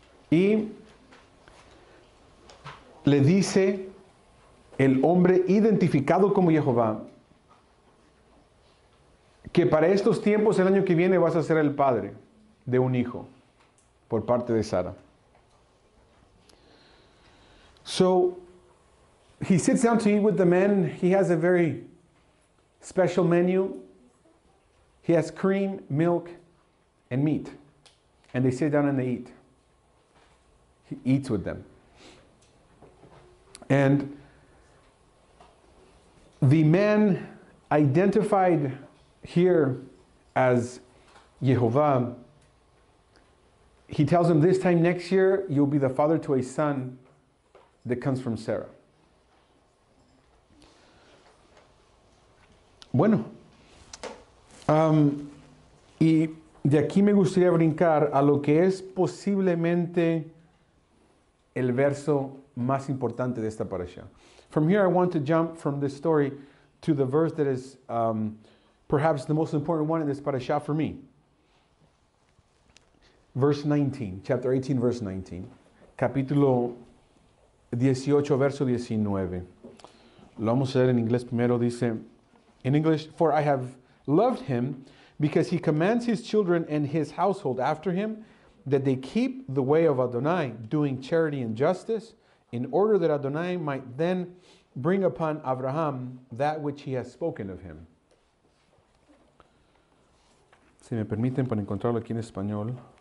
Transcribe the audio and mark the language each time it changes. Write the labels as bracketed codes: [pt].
[es] Y le dice el hombre identificado como Jehová que para estos tiempos, el año que viene, vas a ser el padre de un hijo por parte de Sara. [en] So, he sits down to eat with the men. He has a very special menu. He has cream, milk, and meat. And they sit down and they eat. He eats with them. And the man identified here as Jehovah, he tells him, this time next year, you'll be the father to a son that comes from Sarah. [es] Bueno, y de aquí me gustaría brincar a lo que es posiblemente el verso más importante de esta parasha. [en] From here, I want to jump from this story to the verse that is perhaps the most important one in this parasha for me. Verse 19, chapter 18, verse 19. [es] Capítulo 18, verso 19. Lo vamos a leer en inglés primero. Dice, [en] in English, for I have loved him because he commands his children and his household after him that they keep the way of Adonai, doing charity and justice, in order that Adonai might then bring upon Abraham that which he has spoken of him. [es] Si me permiten, para encontrarlo aquí en español.